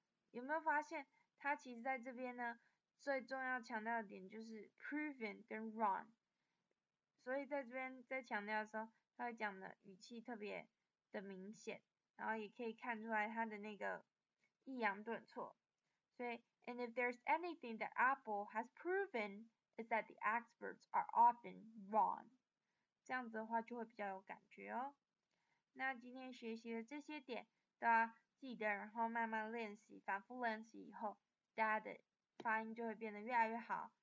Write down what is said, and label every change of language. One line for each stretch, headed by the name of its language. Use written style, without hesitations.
Chinese: 有没有发现，他其实在这边呢，最重要强调的点就是 proven 跟 wrong。所以在这边在强调的时候，他会讲的语气特别的明显，然后也可以看出来他的那个抑扬顿挫。所以
English: ，and if there's anything that Apple has proven, is that the experts are often wrong。
Chinese: 这样子的话就会比较有感觉哦。那今天学习的这些点都要记得，然后慢慢练习，反复练习以后，大家的发音就会变得越来越好。